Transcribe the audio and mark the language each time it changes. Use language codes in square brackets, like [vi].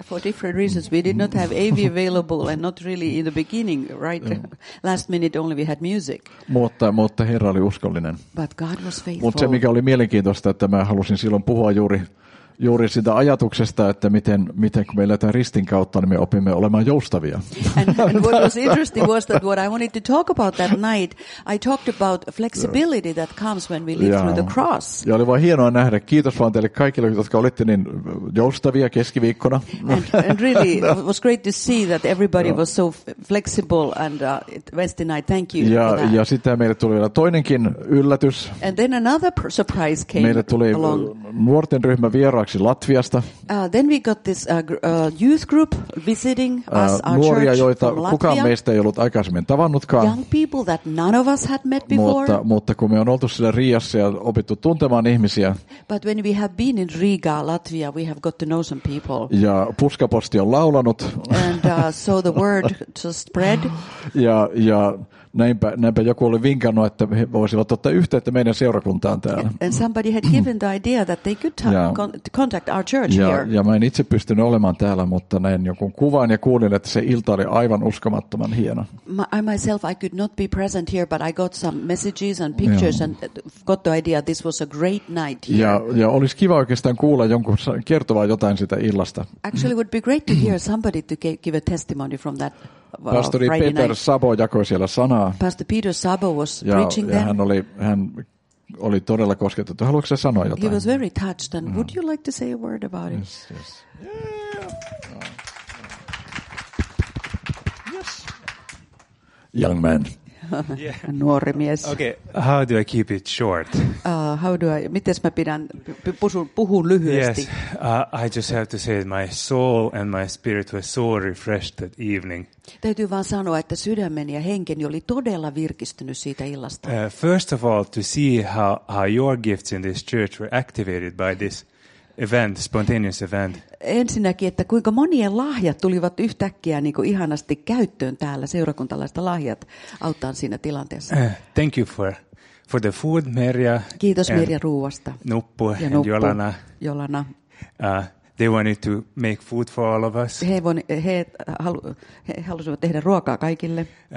[en] For different reasons we did not have AV available and not really in the beginning, right? Last minute only we had music. [fi] Mutta Herra oli uskollinen. [en] But God was faithful. [fi] Mutta se mikä oli mielenkiintoista, että mä halusin silloin puhua juuri sitä ajatuksesta, että miten kun me eletään ristin kautta, niin me opimme olemaan joustavia. [en] And what was interesting was that what I wanted to talk about that night, I talked about flexibility that comes when we live through the cross. [fi] Ja oli vaan hienoa nähdä. Kiitos vaan teille kaikille, jotka olitte niin joustavia keskiviikkona. [en] And really, it was great to see that everybody was so flexible and Wednesday night, thank you [fi] ja, [en] for that. [fi] Ja sitten meille tuli vielä toinenkin yllätys. [en] And then another surprise came along. [fi] Meille tuli nuorten ryhmä vieraan. Latviasta. [en] Then we got this youth group visiting us, our church. [fi] Nuoria, joita kukaan meistä ei ollut aikaisemmin tavannutkaan. [en] Young people that none of us had met before. [fi] Mutta kun me on oltu siellä Riassa ja opittu tuntemaan ihmisiä. [en] But when we have been in Riga, Latvia, we have got to know some people. [fi] Ja puskaposti on laulanut. [en] And so the word just spread. [fi] Ja näinpä joku oli vinkannut, että he voisivat ottaa yhteyttä meidän seurakuntaan täällä. [en] And somebody had given the idea that they could contact our church here. [fi] Ja mä en itse pystynyt olemaan täällä, mutta näin jonkun kuvan ja kuulin, että se ilta oli aivan uskomattoman hieno. [en] I could not be present here, but I got some messages and pictures and got the idea this was a great night here. [fi] Ja olisi kiva oikeastaan kuulla jonkun kertovaa jotain sitä illasta. [en] Actually, it would be great to hear somebody to give a testimony from that. [fi] Pastori Peter Sabo jakoi siellä sanaa. [en] Pastor Peter Sabo was preaching there. [fi] Hän oli todella kosketettu. Haluatko sä sanoa jotain? [en] He was very touched and would you like to say a word about it? Yes. Yes. Young man. [fi] Nuori mies. [en] Okay, how do I keep it short? [fi] Mites mä pidän, puhun lyhyesti. [en] Yes, I just have to say that my soul and my spirit were so refreshed that evening. [fi] Täytyy vaan sanoa, että sydämeni ja henkeni oli todella virkistynyt siitä illasta. [en] First of all, to see how your gifts in this church were activated by this event, spontaneous event. [fi] Ensinnäkin, että kuinka monien lahjat tulivat yhtäkkiä niin kuin ihanasti käyttöön täällä, seurakuntalaista lahjat auttaa siinä tilanteessa. [en] Thank you for the food, Merja. [fi] Kiitos Merja ruuasta. Nuppu ja [en] and Nuppu. Jolana. Jolana. They wanted to make food for all of us. [fi] He halusivat tehdä ruokaa kaikille.